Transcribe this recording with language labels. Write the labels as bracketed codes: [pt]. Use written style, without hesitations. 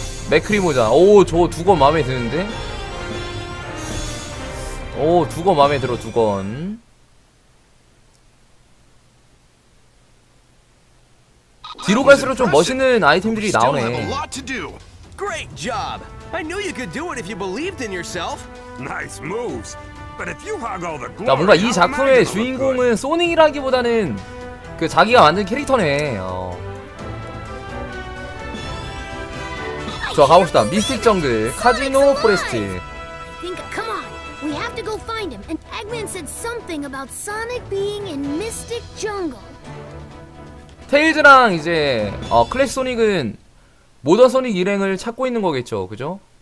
[ko] 맥크리 모자. 오 저거 두 건 마음에 드는데? 오 두 건 마음에 들어 두 건. 뒤로 갈수록 좀 멋있는 아이템들이 나오네. [en] Great job. I knew you could do it if you believed in yourself. Nice moves. But if you hog all the glory. [ko] 뭔가 이 작품의 주인공은 소닉이라기보다는 그 자기가 만든 캐릭터네. 자, 가봅시다. 미스틱 정글, 카지노 포레스트. [en] Come on. We have to go find him. And Eggman said something about Sonic being in Mystic Jungle. [ko] 테일즈랑 이제 클래시 소닉은 모던 소닉 일행을 찾고 있는 거겠죠, 그죠?